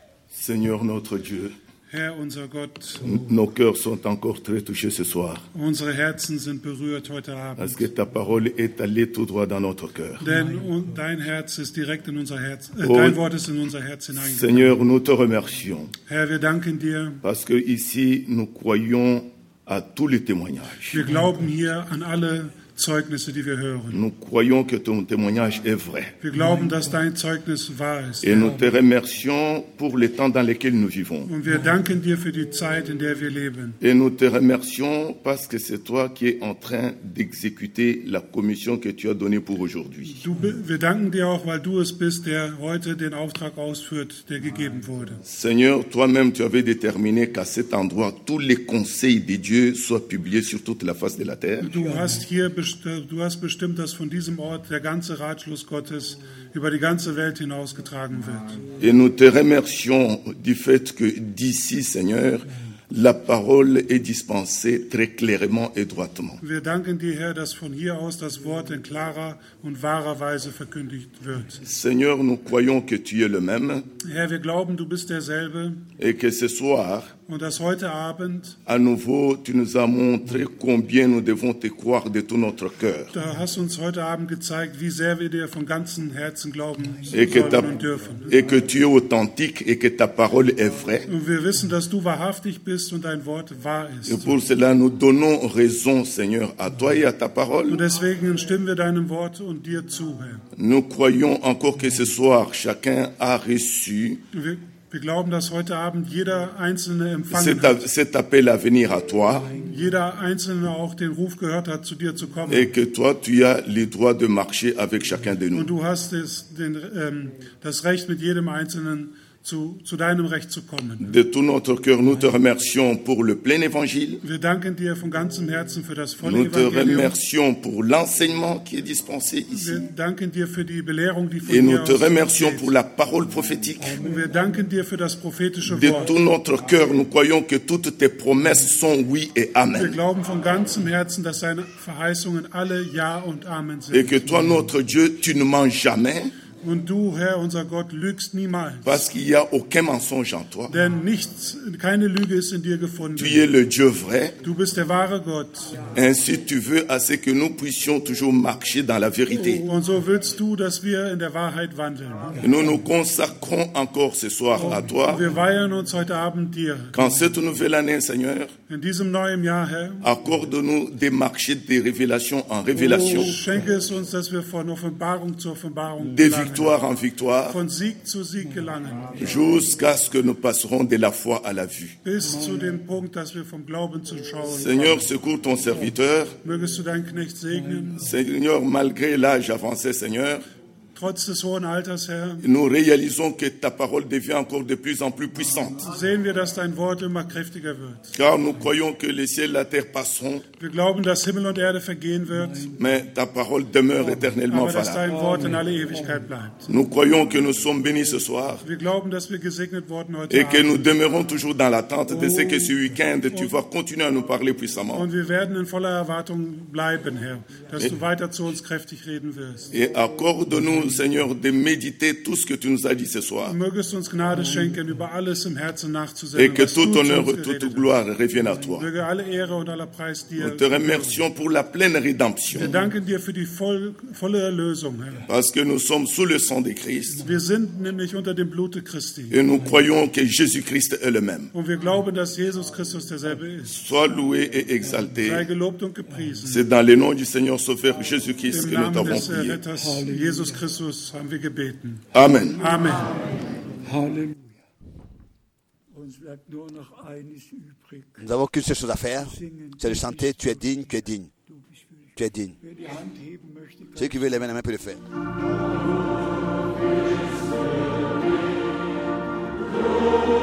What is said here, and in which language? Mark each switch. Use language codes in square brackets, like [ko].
[fr] Seigneur notre Dieu, [de] Herr unser Gott, [fr] nos cœurs sont encore très touchés ce soir. [de] Unsere Herzen sind berührt heute Abend. [fr] Parce que ta parole est allée tout droit dans notre cœur. [de] Denn dein Herz ist direkt in unser Herz. Dein Wort ist in unser Herz hineingekommen. [fr] Seigneur, nous te remercions. [de] Herr, wir danken dir. [fr] Parce que ici nous croyons à tous les témoignages. [de] Wir glauben hier an alle Zeugnisse, die wir hören. [fr] Nous croyons que ton témoignage est vrai. [de] Wir glauben, dass dein Zeugnis wahr ist. [fr] Et nous te remercions pour le temps dans lequel nous vivons. [de] Und wir danken dir für die Zeit, in der wir leben. [fr] Et nous te remercions parce que c'est toi qui es en train d'exécuter la commission que tu as donnée pour aujourd'hui. [de] Wir danken dir auch, weil du es bist, der heute den Auftrag ausführt, der gegeben wurde. [fr] Seigneur, toi-même, tu avais déterminé qu'à cet endroit, tous les conseils de Dieu soient publiés sur toute la face de la terre. [de] Du hast bestimmt, dass von diesem Ort der ganze Ratschluss Gottes über die ganze Welt hinausgetragen wird. [fr] Et nous te remercions du fait que d'ici, Seigneur, la parole est dispensée très clairement et droitement. [de] Wir danken dir, Herr, dass von hier aus das Wort in klarer und wahrer Weise verkündigt wird. [fr] Seigneur, nous croyons que tu es le même. [de] Herr, wir glauben, du bist derselbe. [fr] Et que ce soir, [de] und dass heute Abend, [fr] à nouveau, tu nous as montré combien nous devons te croire de tout notre cœur. [de] Da hast du uns heute Abend gezeigt, wie sehr wir dir von ganzem Herzen glauben und dürfen. [fr] Et que tu es authentique et que ta parole est vraie. [de] Und wir wissen, dass du wahrhaftig bist und dein Wort wahr ist. [fr] Et pour cela, nous donnons raison, Seigneur, à toi et à ta parole. [de] Und deswegen stimmen wir deinem Wort und dir zu, Herr. [fr] Nous croyons encore que ce soir, chacun a reçu. [de] Wir glauben, dass heute Abend jeder Einzelne empfangen hat. [fr] Cet appel à venir à toi. [de] Jeder Einzelne auch den Ruf gehört hat, zu dir zu kommen. [fr] Et que toi, tu as le droit de marcher avec chacun de nous. [de] Und du hast es, das Recht, mit jedem Einzelnen zu deinem Recht zu kommen. [fr] De tout notre cœur, nous te remercions pour le plein évangile. [de] Wir danken dir von ganzem Herzen für das volle Evangelium. [fr] Nous te remercions pour l'enseignement qui est dispensé ici. [de] Wir danken dir für die Belehrung, die von dir ausgeht. [fr] Et nous te remercions pour la parole prophétique. [de] Und wir danken dir für das prophetische Wort. [fr] De tout notre cœur, nous croyons que toutes tes promesses sont oui et amen. [de] Wir glauben von ganzem Herzen, dass deine Verheißungen alle ja und amen sind. [fr] Et que toi, notre Dieu, tu ne mens jamais. [de] Und du, Herr, unser Gott, lügst niemals. [fr] Parce qu'il y a aucun mensonge en toi. [de] Denn nichts, keine Lüge ist in dir gefunden. [fr] Tu es le Dieu vrai. [de] Du bist der wahre Gott. [fr] Ainsi tu veux à ce que nous puissions toujours marcher dans la vérité. [de] Und so willst du, dass wir in der Wahrheit wandeln. [fr] Nous nous consacrons encore ce soir à toi. [de] Wir weihen uns heute Abend dir. [fr] Qu'en cette nouvelle année, Seigneur, [de] in diesem neuen Jahr, Herr, [fr] accorde-nous de marcher de révélation en révélation. [de] Schenke es uns, dass wir von Offenbarung zu Offenbarung gelangen. [fr] Victoire en victoire, [de] von Sieg zu Sieg gelangen, [fr] jusqu'à ce que nous passerons de la foi à la vue. [de] Bis zu dem Punkt, dass wir vom Glauben zum Schauen. [fr] Seigneur, secours ton serviteur. [de] Mögest du deinen Knecht segnen. [fr] Seigneur, malgré l'âge avancé, Seigneur. [de] Trotz des hohen Alters, Herr, [fr] nous réalisons que ta parole devient encore de plus en plus puissante. [de] Sehen wir, dass dein Wort immer kräftiger wird. [fr] Car nous croyons que les ciels et la terre passeront. [de] Wir glauben, dass Himmel und Erde vergehen wird. [fr] Mais ta parole demeure éternellement [de] Aber dass dein Wort in alle Ewigkeit bleibt. [fr] Nous croyons que nous sommes bénis ce soir. [de] Wir glauben, dass wir gesegnet worden heute et Abend. [fr] Que nous demeurons toujours dans l'attente de ce que ce week-end tu vas continuer à nous parler puissamment. [de] Und wir werden in voller Erwartung bleiben, Herr, dass du weiter zu uns kräftig reden wirst. [fr] Et accorde-nous, Seigneur, de méditer tout ce que tu nous as dit ce soir. [de] Mögest du uns Gnade schenken, über alles im Herzen nachzusehen. [fr] Et que tout honneur et toute gloire revienne à toi. [de] Möge alle Ehre und aller Preis dir. [fr] Nous te remercions pour la pleine rédemption. [de] Wir danken dir für die volle Erlösung. [fr] Parce que nous sommes sous le sang de Christ. [de] Wir sind nämlich unter dem Blute Christi. [fr] Et nous croyons que Jésus-Christ est le même. [de] Und wir glauben, dass Jesus Christus derselbe ist. [fr] Sois loué et exalté. [de] Sei gelobt und gepriesen. [fr] C'est dans le nom du Seigneur Sauveur Jésus-Christ que nous t'avons prié. [de] Im Namen des Retters Jesus Christus haben wir gebeten. [fr] Amen. [de] Amen. Halleluja. Uns bleibt nur noch eines übrig. [fr] Nous n'avons qu'une seule chose à faire, c'est de chanter tu es digne, tu es digne. Tu es digne. Celui qui veut lever la main peut le faire.